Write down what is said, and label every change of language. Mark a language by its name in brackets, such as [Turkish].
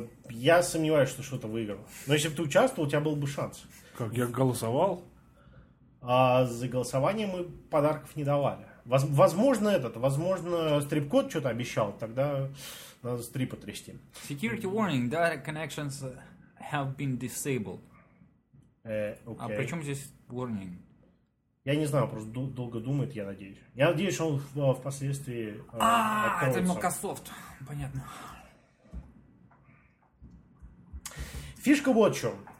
[Russian] Я сомневаюсь, что что-то выиграл. Но если бы ты участвовал, у тебя был бы шанс. Как, я голосовал? А за голосование мы подарков не давали. Возможно, этот, возможно, стрип-код что-то обещал. Тогда надо стрипа трясти. [English] Security warning. Data connections have been disabled. Okay. [Russian] А при чем здесь warning? Я не знаю, просто долго думает, я надеюсь. Я надеюсь, что он впоследствии откроется. Это Microsoft. Понятно. Фишка вот в чем.